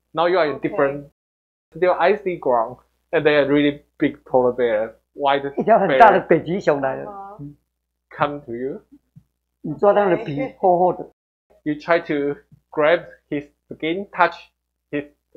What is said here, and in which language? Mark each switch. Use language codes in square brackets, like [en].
[en] Now you are in different, still icy ground, and they are really big polar bear. Why the bear? [zh] 一条很大的北极熊来了。 [en] Come to you. [zh] 你抓到的皮厚厚的。 [en] You try to grab his skin, touch his.